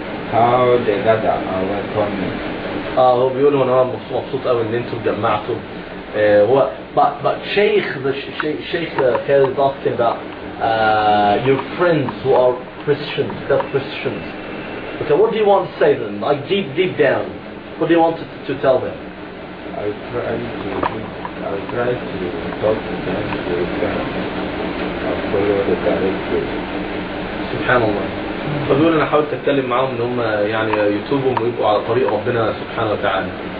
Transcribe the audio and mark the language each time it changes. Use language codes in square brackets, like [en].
[en] How the dada welcomed me. [ar] بيقولوا أنا مبسوط أوي إن أنتم جمعتم. [en] But Sheikh Khalid is asking about your friends who are Christians, they're Christians. Okay, what do you want to say to them? Like deep down, what do you want to tell them? I try to talk to them to follow the direction. SubhanAllah. [ar] فبيقول أنا حاولت أتكلم معهم إن هم يعني يتوبهم ويبقوا على طريق ربنا سبحانه وتعالى.